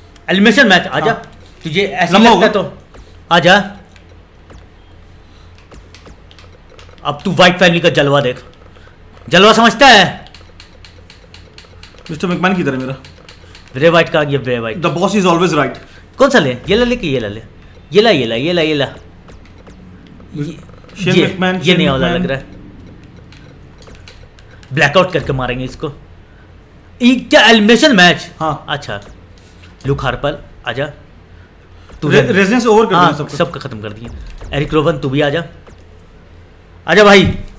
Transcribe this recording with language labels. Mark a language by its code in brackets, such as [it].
[en] Elimination match. [hi] आजा तुझे ऐसा लगता है तो आजा, अब तू वाइट फैमिली का जलवा देख, जलवा समझता है। मिस्टर मैकमैन किधर है मेरा, ग्रे वाइट का ये grey white, [en] The boss is always right. [hi] कौन सा ले, ये ला ले कि ये ला ले, ये ला ये ला ये ला ये ला, शेन मैकमैन, ये नहीं वाला लग रहा है, ब्लैकआउट करके मारेंगे इसको। ये क्या एलिमिनेशन मैच, हाँ अच्छा। लुक हार्पर आजा, तू रेजिडेंस ओवर कर, हाँ, सबका सब खत्म कर दिए। एरिक रोवन तू भी आजा, आजा भाई।